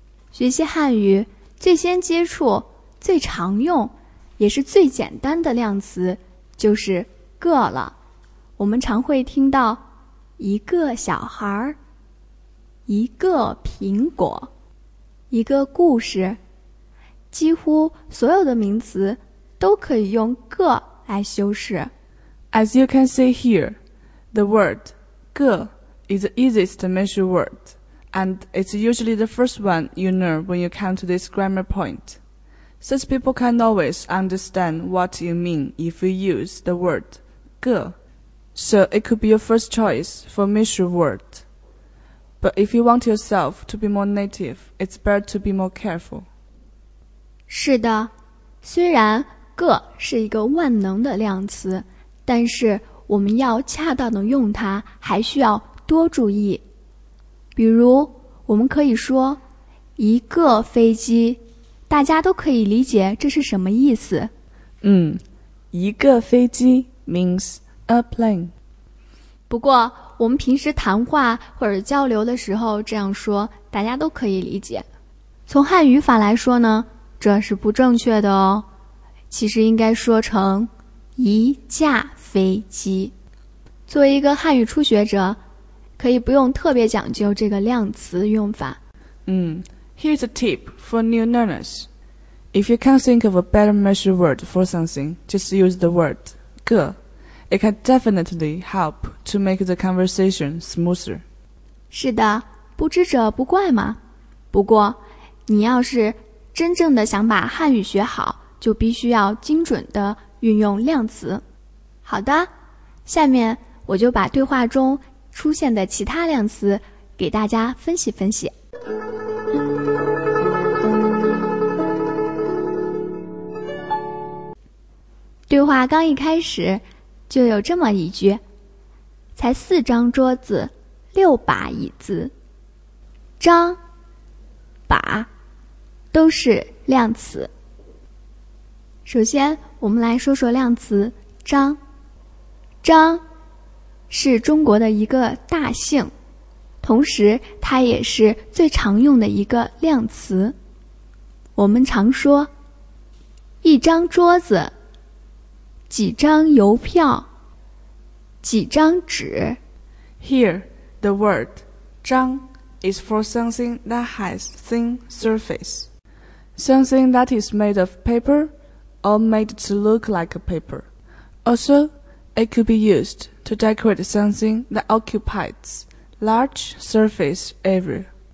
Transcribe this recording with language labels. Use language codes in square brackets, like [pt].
[zh] 学习汉语最先接触最常用也是最简单的量词就是个了。我们常会听到一个小孩，一个苹果，一个故事，几乎所有的名词都可以用个来修饰。 [en] As you can see here, the word 个 is the easiest measure word, and it's usually the first one you know when you come to this grammar point. Since people can't always understand what you mean if you use the word 个, so it could be your first choice for measure word. But if you want yourself to be more native, it's better to be more careful. [zh] 是的，虽然个是一个万能的量词，但是我们要恰当的用它，还需要多注意。比如，我们可以说，一个飞机，大家都可以理解这是什么意思。一个飞机 [en] means a plane。 [zh] 不过，我们平时谈话或者交流的时候这样说，大家都可以理解。从汉语法来说呢，这是不正确的哦。其实应该说成一架飞机。作为一个汉语初学者，可以不用特别讲究这个量词用法。 [en] Here's a tip for new learners. If you can't think of a better measure word for something, just use the word 个. It can definitely help to make the conversation smoother. [zh] 是的，不知者不怪嘛。不过，你要是真正的想把汉语学好，就必须要精准地运用量词。好的，下面我就把对话中出现的其他量词给大家分析分析。对话刚一开始就有这么一句，才四张桌子，六把椅子。张、把都是量词。首先我们来说说量词张。张是中国的一个大姓，同时它也是最常用的一个量词。我们常说一张桌子，几张邮票，几张纸。 [en] Here the word 张 is for something that has thin surface, something that is made of paperOr made to look like a paper. Also, it could be used to decorate something that occupies large surface area.